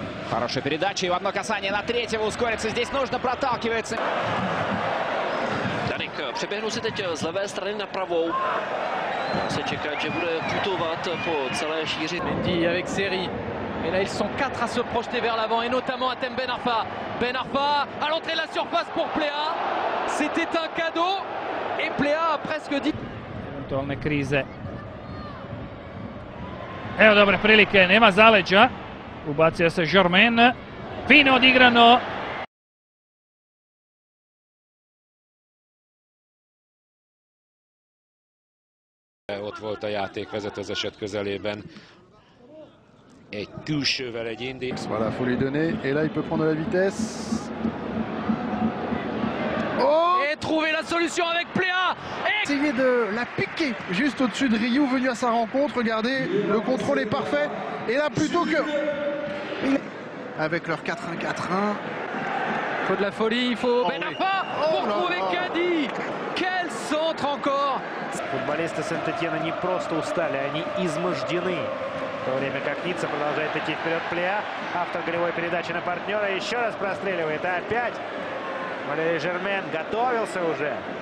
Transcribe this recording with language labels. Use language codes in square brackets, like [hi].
[ru] Хорошая передача и в одно касание на третьего ускорится. Здесь нужно проталкивается. [cs] Даник přeběhnul se teď z levé strany na pravou. Se čeká, že bude putovat po celé šíři. [fr] Mendy avec Seri. Et là, ils sont quatre à se projeter vers l'avant et notamment Atem Ben Arfa. Ben Arfa à l'entrée de la surface pour Pléa. C'était un cadeau et Pléa a presque dit. [hr] Eventualne krize. Evo dobre prilike, nema zaleđa. Ubacio se Žormen. Fino odigrano. [hu] Ott volt a játékvezet az eset közelében. Egy külsővel egy indít. [fr] Voilà, faut lui donner. Et là, il peut prendre la vitesse. Oh! Et trouver la solution avec Pléa. Essayer de la piquer juste au-dessus de Ryu, venu à sa rencontre. Regardez, le contrôle est parfait. Et là, plutôt que... Avec leur 4-1-4-1. Il faut de la folie, il faut Ben Arfa pour trouver Kadi. Quel centre encore. [ru] Футболисты Сент-Этьена не просто устали, они измождены. В то время как Ницца продолжает идти вперед Плеа. Автор голевой передачи на партнера еще раз простреливает. А опять Валерий Жермен готовился уже.